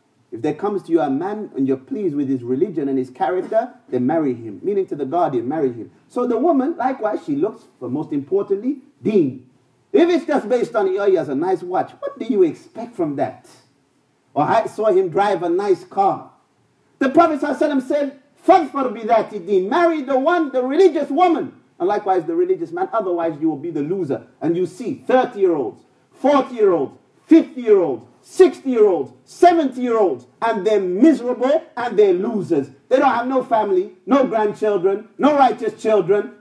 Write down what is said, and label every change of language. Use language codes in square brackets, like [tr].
[en] If there comes to you a man and you're pleased with his religion and his character, then marry him. Meaning to the guardian, marry him. So the woman, likewise, she looks for, most importantly, deen. If it's just based on, oh, he has a nice watch, what do you expect from that? Or I saw him drive a nice car. The Prophet ﷺ said, [ar] فَظْفَرْ بِذَاتِ الدِّينِ. [en] Marry the one, the religious woman. And likewise, the religious man. Otherwise, you will be the loser. And you see 30-year-olds, 40-year-olds, 50-year-olds, 60-year-olds, 70-year-olds, and they're miserable and they're losers. They don't have no family, no grandchildren, no righteous children.